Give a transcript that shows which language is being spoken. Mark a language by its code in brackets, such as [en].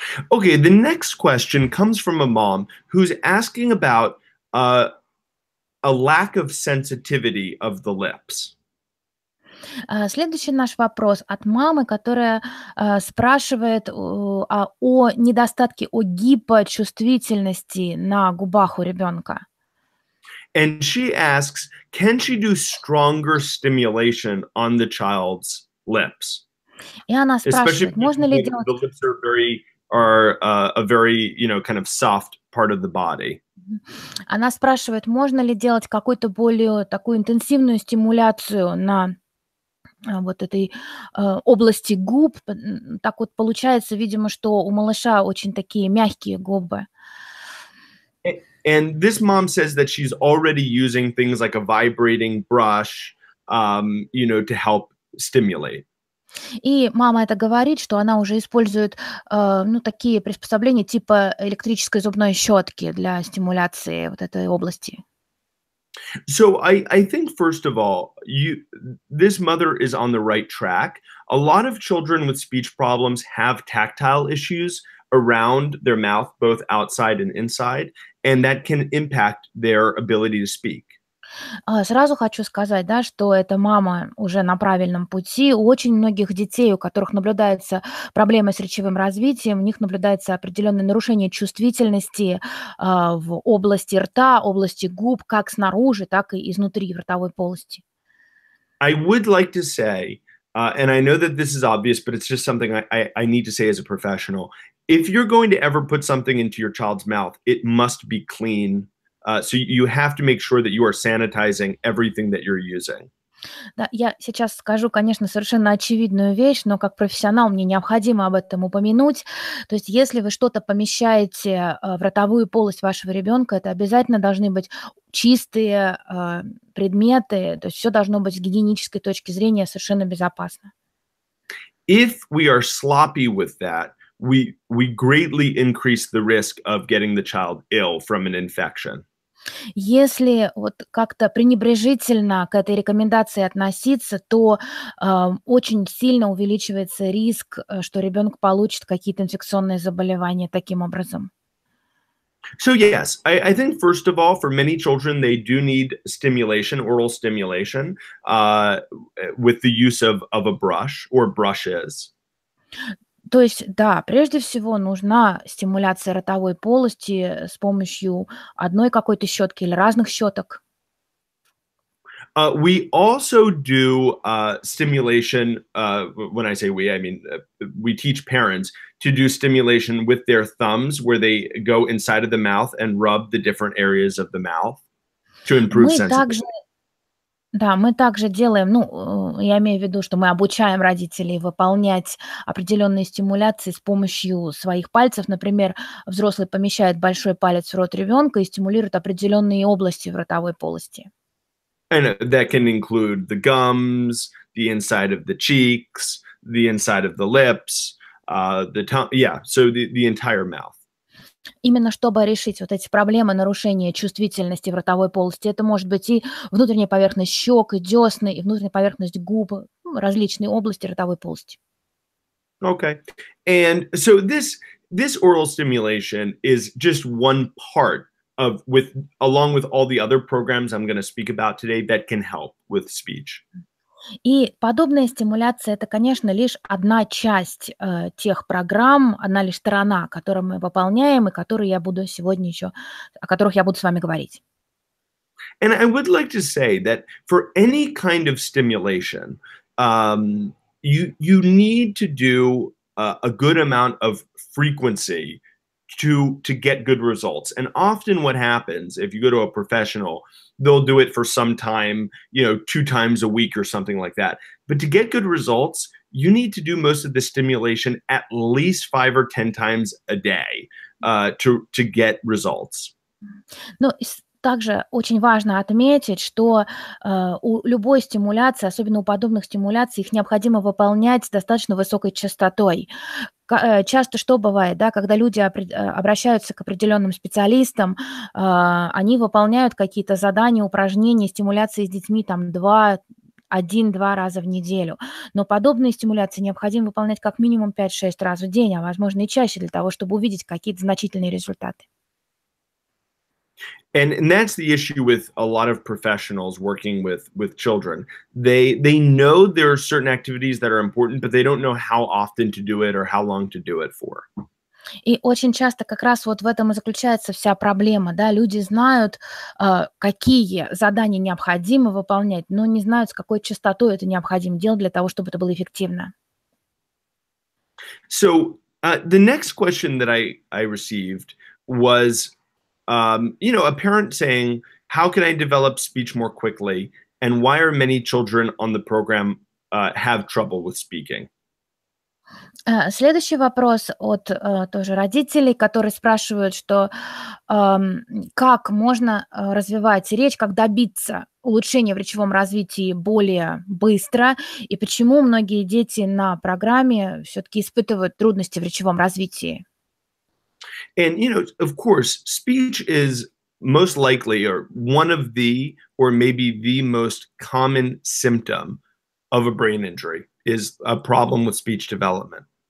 [en] Okay, the next question comes from a mom who's asking about a lack of sensitivity of the lips. [ru] Следующий наш вопрос от мамы, которая спрашивает о недостатке, о гипочувствительности на губах у ребенка. [en] And she asks, can she do stronger stimulation on the child's lips? [ru] И она спрашивает, [en] especially [ru] можно ли делать... [en] The lips are a very, you know, kind of soft part of the body. [ru] Она спрашивает, можно ли делать какую-то более такую интенсивную стимуляцию на вот этой области губ. Так вот получается, видимо, что у малыша очень такие мягкие губы. [en] And this mom says that she's already using things like a vibrating brush, you know, to help stimulate. [ru] И мама это говорит, что она уже использует, ну, такие приспособления типа электрической зубной щетки для стимуляции вот этой области. [en] So I think, first of all, this mother is on the right track. A lot of children with speech problems have tactile issues around their mouth, both outside and inside, and that can impact their ability to speak. [ru] Сразу хочу сказать, да, что эта мама уже на правильном пути. У очень многих детей, у которых наблюдаются проблемы с речевым развитием, у них наблюдается определенное нарушение чувствительности в области рта, области губ, как снаружи, так и изнутри в ротовой полости. [en] I would like to say, and I know that this is obvious, but it's just something I need to say as a professional. If you're going to ever put something into your child's mouth, it must be clean. So you have to make sure that you are sanitizing everything that you're using. [ru] Да, я сейчас скажу, конечно, совершенно очевидную вещь, но как профессионал мне необходимо об этом упомянуть. То есть если вы что-то помещаете в ротовую полость вашего ребенка, это обязательно должны быть чистые предметы, то есть все должно быть с гигиенической точки зрения совершенно безопасно. [en] If we are sloppy with that, we greatly increase the risk of getting the child ill from an infection. [ru] Если вот как-то пренебрежительно к этой рекомендации относиться, то очень сильно увеличивается риск, что ребенок получит какие-то инфекционные заболевания таким образом. [en] So yes, I think first of all, for many children, they do need stimulation, oral stimulation, with the use of a brush or brushes. [ru] То есть, да, прежде всего нужна стимуляция ротовой полости с помощью одной какой-то щетки или разных щеток. [en] We also do stimulation. When I say we, I mean we teach parents to do stimulation with their thumbs, where they go inside of the mouth and rub the different areas of the mouth to improve sensitivity. [ru] Да, мы также делаем, ну, я имею в виду, что мы обучаем родителей выполнять определенные стимуляции с помощью своих пальцев. Например, взрослый помещает большой палец в рот ребенка и стимулирует определенные области в ротовой полости. [en] And that can include the gums, the inside of the cheeks, the inside of the lips, the tongue, yeah, so the entire mouth. [ru] Именно чтобы решить вот эти проблемы нарушения чувствительности в ротовой полости, это может быть и внутренняя поверхность щек, и десны, и внутренняя поверхность губ, различные области ротовой полости. [en] Okay. And so this oral stimulation is just one part of, with along with all the other programs I'm going to speak about today, that can help with speech. [ru] И подобная стимуляция – это, конечно, лишь одна часть тех программ, одна лишь сторона, которую мы выполняем и которые я буду сегодня еще, о которых я буду с вами говорить. [en] And I would like to say that for any kind of stimulation, you need to do a good amount of frequency to get good results. And often what happens, if you go to a professional, they'll do it for some time, you know, two times a week or something like that. But to get good results, you need to do most of the stimulation at least 5 or 10 times a day to get results. No. [ru] Также очень важно отметить, что у любой стимуляции, особенно у подобных стимуляций, их необходимо выполнять достаточно высокой частотой. Часто что бывает, да, когда люди обращаются к определенным специалистам, они выполняют какие-то задания, упражнения, стимуляции с детьми там один-два раза в неделю. Но подобные стимуляции необходимо выполнять как минимум 5-6 раз в день, а возможно и чаще для того, чтобы увидеть какие-то значительные результаты. [en] And that's the issue with a lot of professionals working with children. They know there are certain activities that are important, but they don't know how often to do it or how long to do it for. [ru] И очень часто как раз вот в этом и заключается вся проблема, да? Люди знают, какие задания необходимо выполнять, но не знают, с какой частотой это необходимо делать для того, чтобы это было эффективно. [en] So, the next question that I received was, you know, a parent saying, how can I develop speech more quickly? And why are many children on the program have trouble with speaking? [ru] Следующий вопрос от тоже родителей, которые спрашивают, что как можно развивать речь, как добиться улучшения в речевом развитии более быстро, и почему многие дети на программе все-таки испытывают трудности в речевом развитии? [en] And, you know, of course, speech is most likely or one of the or maybe the most common symptom of a brain injury is a problem with speech development.